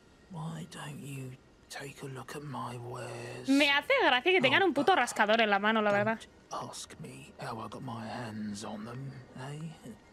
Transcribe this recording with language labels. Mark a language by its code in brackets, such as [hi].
[en] Why don't you take a look at my wares? [es] Me hace gracia que tengan un puto rascador en la mano, la verdad. [en] Ask me how I got my hands on them, eh?